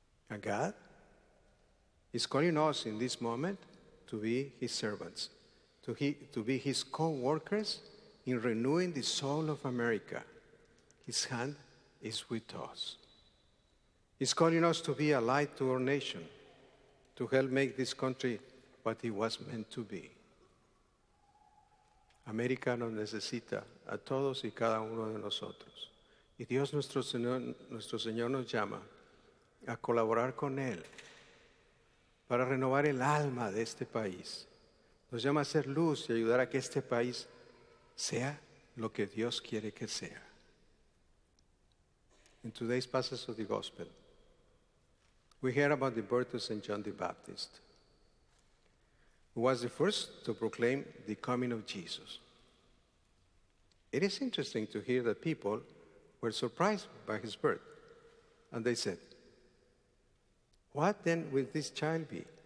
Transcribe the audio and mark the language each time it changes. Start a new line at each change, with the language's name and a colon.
English: And God is calling us in this moment to be his servants, to be his co-workers in renewing the soul of America. His hand is with us. He's calling us to be a light to our nation, to help make this country what it was meant to be.
Spanish: América nos necesita a todos y cada uno de nosotros. Y Dios nuestro Señor nos llama a colaborar con Él para renovar el alma de este país. Nos llama a ser luz y ayudar a que este país sea lo que Dios quiere que sea.
English: In today's passage of the Gospel, we hear about the birth of St. John the Baptist, who was the first to proclaim the coming of Jesus. It is interesting to hear that people were surprised by his birth, and they said, "What then will this child be?